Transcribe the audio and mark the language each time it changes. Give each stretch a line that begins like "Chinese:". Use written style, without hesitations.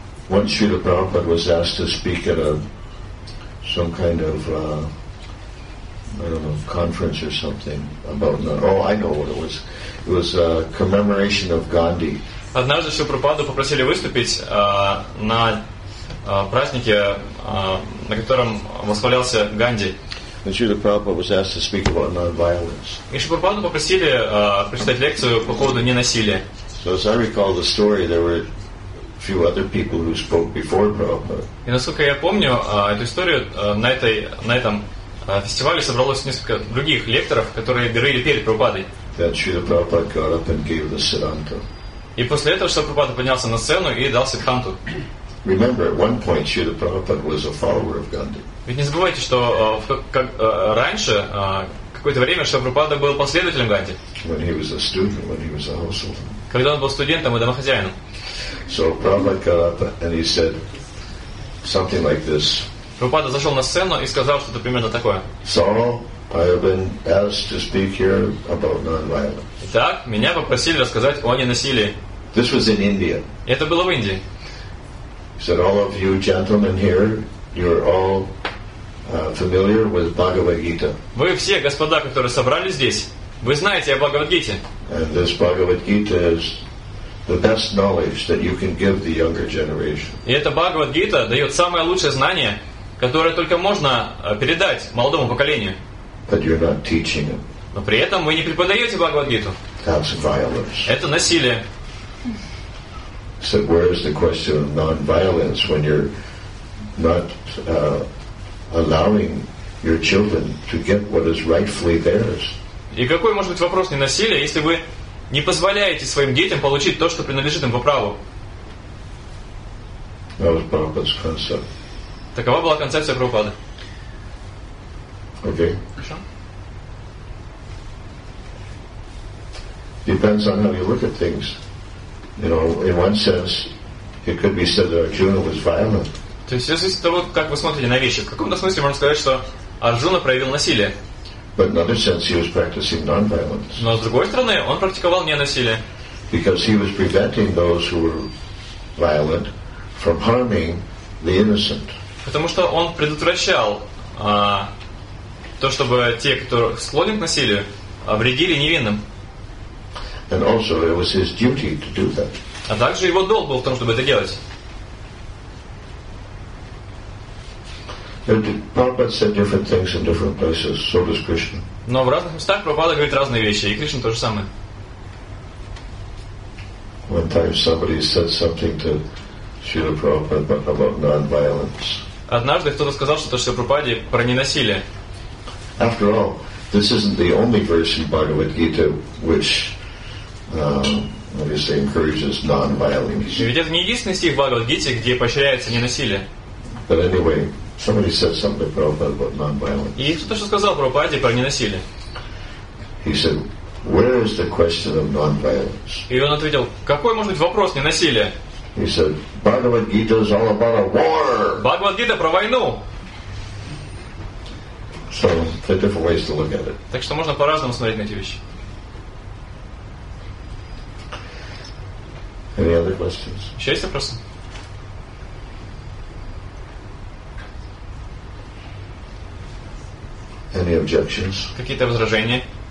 English: Once Srila Prabhupada was asked to speak at a some kind of conference or something about it was a commemoration of Gandhi.
Russian: Однажды Шрила Прабхупаду попросили выступить на празднике, на котором восхвалялся Ганди.
English: And Srila Prabhupada was asked to speak about non-violence.
Russian: И Шрила Прабхупаду попросили прочитать лекцию по поводу ненасилия.
English: So as I recall the story, there were few other people who spoke before Prabhupada.
Russian: И насколько я помню эту историю, на этом фестивале собралось несколько других лекторов, которые говорили перед Прабхупадой. И после этого Шрила Прабхупада поднялся на сцену и дал Сиддханту.
English: Remember, at one point Srila Prabhupada was a follower of Gandhi.
Russian: Ведь не забывайте, что раньше какое-то время Шрила Прабхупада был последователем Ганди.
English: When he was a student, when he was a householder.
Russian: Когда он был студентом и домохозяином.
English: So Prabhupada got up and he said something like this.
Russian: Прабхупада зашел на сцену и сказал что-то примерно такое.
English: So I have been asked to speak here about non-violence.
Russian: Итак, меня попросили рассказать о ненасилии.
English: This was in India.
Russian: Это было в Индии.
English: He said, all of you gentlemen here, you're all familiar with Bhagavad Gita.
Russian: Вы все, господа, которые собрались здесь, вы знаете о Бхагавад Гите.
English: And this Bhagavad Gita is the best knowledge that you can give the younger generation.
Russian: И эта Бхагавад Гита дает самое лучшее знание, которое только можно передать молодому поколению.
English: But you're not teaching it.
Russian: Но при этом вы не преподаете Бхагавад Гиту.
English: That's violence.
Russian: Это насилие.
English: So where is the question of non-violence when you're not allowing your children to get what is rightfully theirs?
Russian: И какой может быть вопрос ненасилия, если вы не позволяете своим детям получить то, что принадлежит им по праву?
English: That was Prabhupada's concept.
Russian: Такова была концепция Прабхупады.
English: Okay.
Russian: Хорошо.
English: Depends on how you look at things. You know, in one sense, it could be said that Arjuna was violent.
Russian: То есть, в зависимости от того, как вы смотрите на вещи, в каком-то смысле можно сказать, что Арджуна проявил насилие.
English: But in another sense, he was practicing non-violence.
Russian: Но с другой стороны, он практиковал ненасилие.
English: Because he was preventing those who were violent from harming the innocent.
Russian: Потому что он предотвращал то, чтобы те, кто склонен к насилию, вредили невинным.
English: And also, it was his duty to do that.
Russian: А также его долг был в том, чтобы это делать.
English: Prabhupada said different things in different places. So does Krishna.
Russian: Но в разных местах Прабхупада говорит разные вещи, и Кришна то же самое.
English: One time somebody said something to Srila Prabhupada about non-violence.
Russian: Однажды кто-то сказал что-то Шриле Прабхупаде про ненасилие.
English: After all, this isn't the only verse in Bhagavad Gita which Obviously encourages non-violence.
Russian: Ведь это не единственный стих в Бхагавад-гите, где поощряется ненасилие.
English: But anyway, somebody said something to Prabhupada about non-violence.
Russian: И кто-то что сказал Прабхупаде про ненасилие.
English: He said, "Where is the question of non-violence?"
Russian: И он ответил, какой может быть вопрос ненасилия?
English: He said, "Bhagavad-gita is all about a war."
Russian: Бхагавад-гита про войну.
English: So there are different ways to look at it.
Russian: Так что можно по-разному смотреть на эти вещи.
English: Any other questions?
Russian: Еще есть вопросы?
English: Any objections?
Russian: Какие-то возражения?